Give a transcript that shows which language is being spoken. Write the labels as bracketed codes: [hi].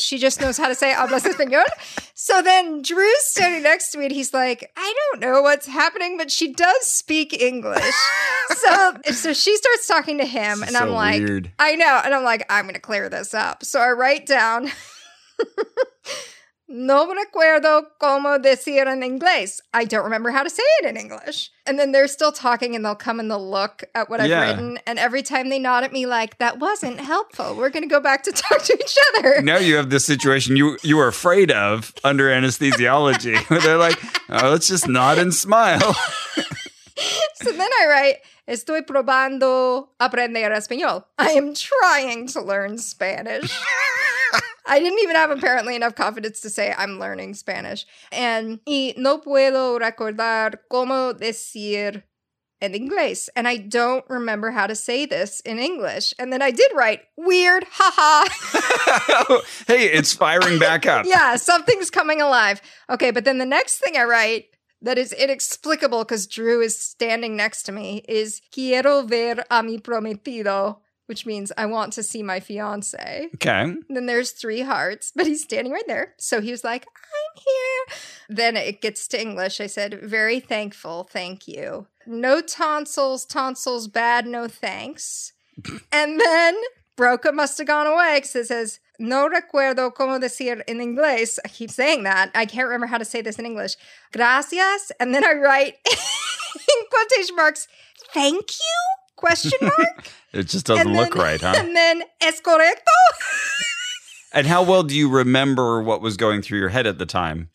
[en] She just knows how to say [es] hablas español. [en] So then Drew's standing next to me and he's like, I don't know what's happening, but she does speak English. So she starts talking to him and so I'm like, weird. I know. And I'm like, I'm going to clear this up. So I write down [es] No recuerdo cómo decir en inglés. [en] I don't remember how to say it in English. And then they're still talking and they'll come and they'll look at what I've written. And every time they nod at me like, that wasn't helpful. We're going to go back to talk to each other. Now you have this situation you were afraid of under anesthesiology. Where they're like, oh, let's just nod and smile. So then I write, [es] estoy probando aprender español. [en] I am trying to learn Spanish. I didn't even have apparently enough confidence to say I'm learning Spanish. [es] And y no puedo recordar cómo decir en inglés. [en] And I don't remember how to say this in English. And then I did write, weird, haha. Hey, it's firing back up. Yeah, something's coming alive. Okay, but then the next thing I write that is inexplicable because Drew is standing next to me is [es] quiero ver a mi prometido. [en] Which means I want to see my fiance. Okay. Then there's three hearts, but he's standing right there. So he was like, I'm here. Then it gets to English. I said, very thankful. Thank you. No tonsils. Tonsils bad. No thanks. And then Broca must have gone away because it says, [es] no recuerdo cómo decir en inglés. [en] I keep saying that. I can't remember how to say this in English. Gracias. And then I write in quotation marks, thank you? Question mark? It just doesn't then, look right, huh? And then, [es] ¿es correcto? [en] And how well do you remember what was going through your head at the time?